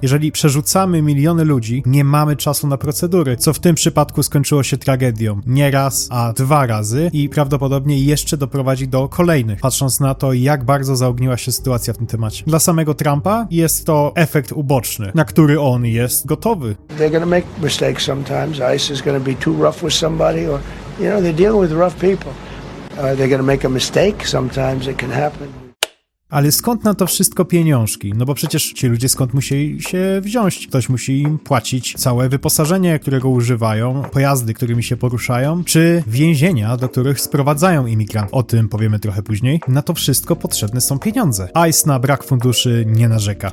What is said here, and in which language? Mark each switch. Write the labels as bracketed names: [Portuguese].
[Polish] Jeżeli przerzucamy miliony ludzi, nie mamy czasu na procedury, co w tym przypadku skończyło się tragedią. Nie raz, a dwa razy i prawdopodobnie jeszcze doprowadzi do kolejnych, patrząc na to, jak bardzo zaogniła się sytuacja w tym temacie. Dla samego Trumpa jest to efekt uboczny, na który on jest gotowy. [English] They're gonna make mistakes sometimes. ICE is gonna be too rough with somebody, or you know, they're dealing with rough people. They're gonna make a mistake sometimes. It can happen. [Polish] Ale skąd na to wszystko pieniążki? No bo przecież ci ludzie skąd musieli się wziąć? Ktoś musi im płacić całe wyposażenie, którego używają, pojazdy, którymi się poruszają, czy więzienia, do których sprowadzają imigrantów. O tym powiemy trochę później. Na to wszystko potrzebne są pieniądze. ICE na brak funduszy nie narzeka.